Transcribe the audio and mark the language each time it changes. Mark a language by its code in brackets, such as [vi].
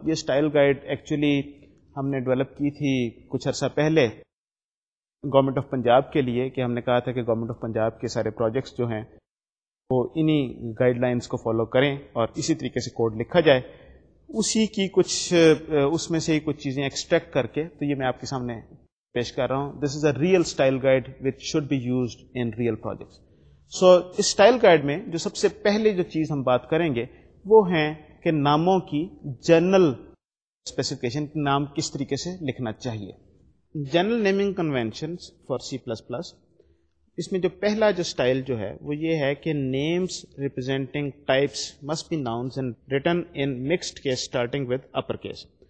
[ur] یہ style guide actually ہم نے ڈیولپ کی تھی کچھ عرصہ پہلے گورنمنٹ آف پنجاب کے لیے, کہ ہم نے کہا تھا کہ گورنمنٹ آف پنجاب کے سارے پروجیکٹس جو ہیں وہ انہی گائیڈ لائنس کو فالو کریں اور اسی طریقے سے کوڈ لکھا جائے. اسی کی کچھ اس میں سے ہی کچھ چیزیں ایکسٹریکٹ کر کے تو یہ میں آپ کے سامنے پیش کر رہا ہوں. [en] This is a real style guide which should be used in real projects. [ur] So اس style guide میں جو سب سے پہلے جو چیز ہم بات کریں گے وہ ہیں کہ ناموں کی جنرل اسپیسیفکیشن, نام کس طریقے سے لکھنا چاہیے. [en] general naming conventions for C plus plus, [ur] اس میں جو پہلا جو اسٹائل جو ہے وہ یہ ہے کہ [en] Names representing types must be nouns and written in mixed case starting with upper case.